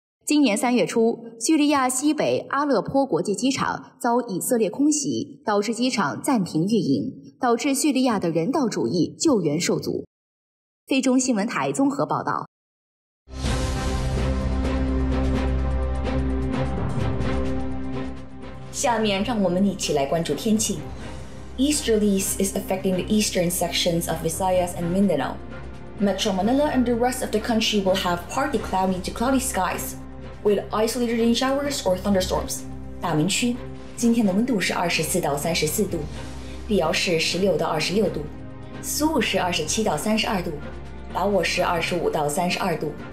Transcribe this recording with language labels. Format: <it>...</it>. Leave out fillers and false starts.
<zh>今年三月初，叙利亚西北阿勒颇国际机场遭以色列空袭，导致机场暂停运营，导致叙利亚的人道主义救援受阻。菲中新闻台综合报道。下面让我们一起来关注天气。</zh> <en>Easterlies is affecting the eastern sections of Visayas and Mindanao. Metro Manila and the rest of the country will have partly cloudy to cloudy skies, with isolated rain showers or thunderstorms.</en> <zh>大明区今天的温度是24到34度，碧瑶是16到26度，苏武是27到32度，达沃是25到32度。</zh>